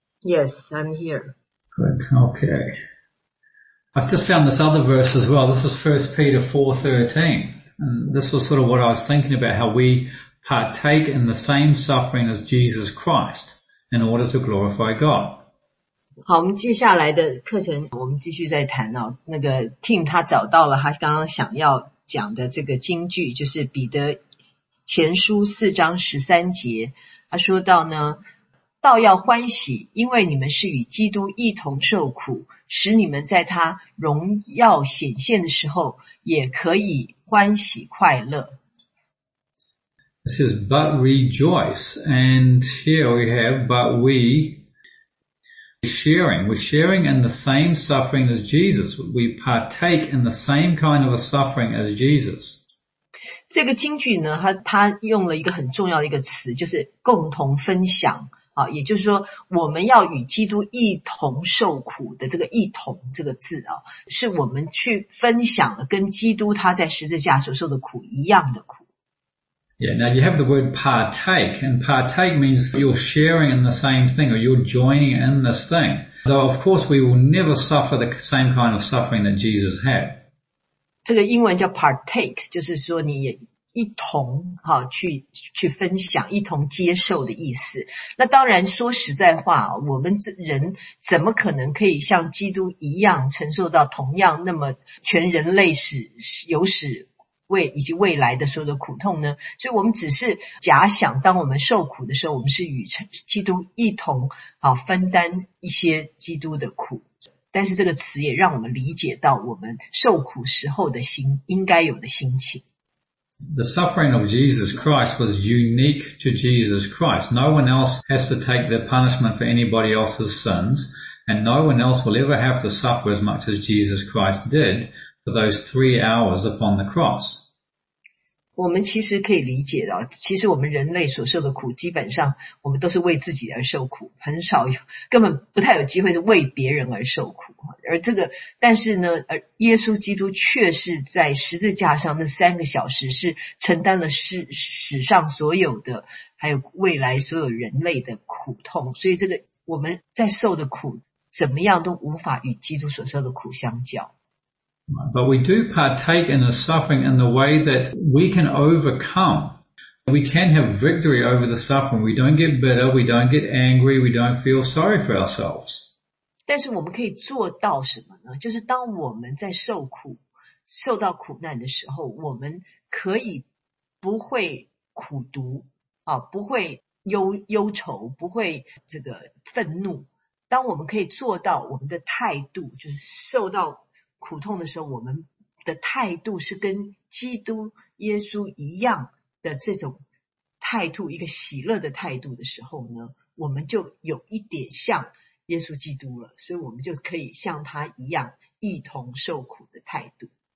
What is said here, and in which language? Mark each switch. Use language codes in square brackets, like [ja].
[en] Yes, I'm here. Good, okay. I've just found this other verse as well. This is 1 Peter 4:13. And this was sort of what I was thinking about, how we partake in the same suffering as Jesus Christ in order to glorify God. [zh] 好，我们接下来的课程，我们继续再谈哦。那个 Tim 他找到了他刚刚想要讲的这个金句，就是彼得前书四章十三节，他说到呢，倒要欢喜，因为你们是与基督一同受苦，使你们在他荣耀显现的时候，也可以欢喜快乐。 [en] This is but rejoice, and here we have but we. We're sharing in the same suffering as Jesus. We partake in the same kind of a suffering as Jesus. [zh] 这个经句呢，他用了一个很重要的一个词，就是共同分享。啊，也就是说，我们要与基督一同受苦的这个一同这个字啊，是我们去分享了跟基督他在十字架所受的苦一样的苦。 [en] Yeah, now you have the word partake, and partake means you're sharing in the same thing, or you're joining in this thing. Though, of course, we will never suffer the same kind of suffering that Jesus had. [zh] 这个英文叫 partake, 就是说你也一同哈去分享，一同接受的意思。那当然说实在话，我们人怎么可能可以像基督一样承受到同样那么全人类史有史为以及未来的所有的苦痛呢？所以我们只是假想，当我们受苦的时候，我们是与基督一同啊分担一些基督的苦。但是这个词也让我们理解到，我们受苦时候的心应该有的心情。 [en] The suffering of Jesus Christ was unique to Jesus Christ. No one else has to take the punishment for anybody else's sins, and no one else will ever have to suffer as much as Jesus Christ did. For those 3 hours upon the cross. [zh] 我们其实可以理解的，其实我们人类所受的苦，基本上我们都是为自己而受苦，很少有，根本不太有机会是为别人而受苦。而这个，但是呢，而耶稣基督却是在十字架上那三个小时，是承担了史上所有的，还有未来所有人类的苦痛。所以这个我们在受的苦，怎么样都无法与基督所受的苦相较。 [en] But we do partake in the suffering in the way that we can overcome. We can have victory over the suffering. We don't get bitter, we don't get angry, we don't feel sorry for ourselves. [zh] 但是我们可以做到什么呢？就是当我们在受苦，受到苦难的时候，我们可以不会苦毒，不会忧愁，不会这个愤怒。当我们可以做到我们的态度，就是受到苦痛的时候，我们的态度是跟基督耶稣一样的这种态度，一个喜乐的态度的时候呢，我们就有一点像耶稣基督了，所以我们就可以像他一样一同受苦的态度。